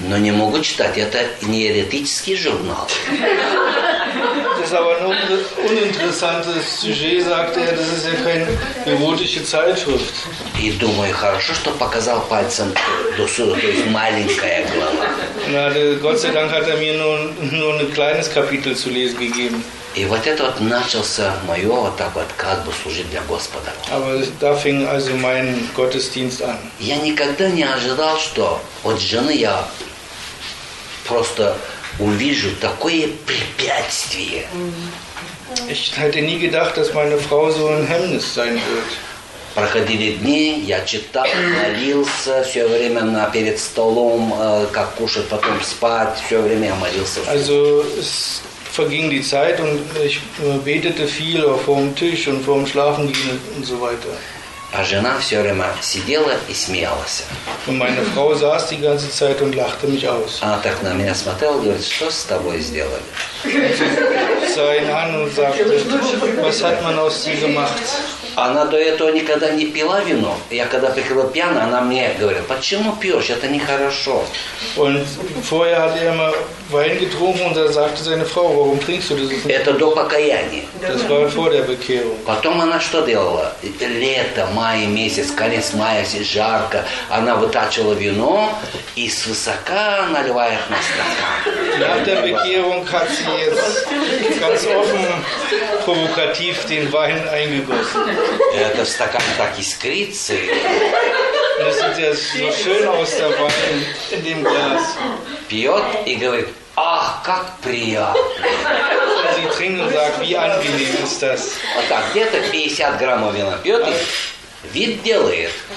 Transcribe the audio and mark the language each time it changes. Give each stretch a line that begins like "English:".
Russian: Но не могу читать, это не эротический журнал.
German: Das ist aber ein uninteressantes Sujet, sagte er, das ist ja keine erotische Zeitschrift.
Russian: И думаю, хорошо, что показал пальцем до сюда, то есть маленькая глава.
German: Na, Gott sei Dank hat mir nur ein kleines Kapitel zu lesen gegeben.
Russian: И вот это вот начался мое вот так вот, как бы служить для Господа.
German: Aber da fing also mein Gottesdienst an.
Russian: Я никогда не ожидал, что от жены я просто увижу такое препятствие.
German: Ich hätte nie gedacht, dass meine Frau so ein Hemmnis sein wird.
Russian: Проходили дни, я читал, молился, все время перед столом, как кушать, потом спать, все время молился.
German: Also, es verging die Zeit und ich betete viel vorm Tisch und vorm Schlafengehen und so weiter.
Russian: А жена все время сидела и смеялась.
German: Und meine Frau saß die ganze Zeit und lachte mich aus.
Russian: Она так на меня смотрела и говорит, что с тобой сделали?
German: Sah ihn an und sagte, was hat man aus dir gemacht?
Russian: Она до этого никогда не пила вино. Я когда приходила пьяна, она мне говорит, почему пьешь? Это нехорошо.
German: Und vorher hat immer Wein getrunken und er sagte seine Frau, warum trinkst du das?
Russian: Это до покаяния.
German: Das war vor der Bekehrung.
Russian: Потом она что делала? Лето, май месяц, конец мая, жарко. Она вытачивала вино и свысока наливает на стакан.
German: Nach der Bekehrung hat sie jetzt ganz offen provokativ den Wein eingegossen.
Russian: Это стакан так искрится.
German: Das sieht ja so schön aus, der Wein in dem Glas.
Russian: Пьет и говорит, ах, как приятно.
German: Sie trinkt und sagt, wie angenehm ist das.
Russian: Вот так, где-то 50 граммов вина пьет, Видделает.